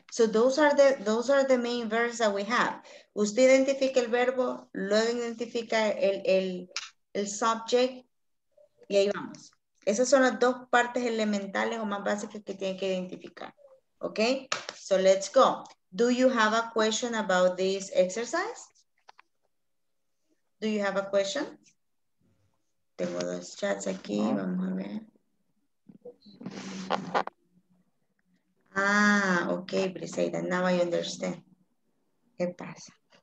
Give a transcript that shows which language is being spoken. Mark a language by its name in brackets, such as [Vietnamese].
[English] So those are the main verbs that we have. [Spanish] Usted identifica el verbo, luego identifica el subject y ahí vamos. Esas son las dos partes elementales o más básicas que tienen que identificar. [English] Okay? So let's go. Do you have a question about this exercise? Do you have a question? [Spanish] Tengo dos chats aquí, vamos a ver. [English] Ah, okay, Briseida, now I understand. [Spanish] ¿Qué pasa?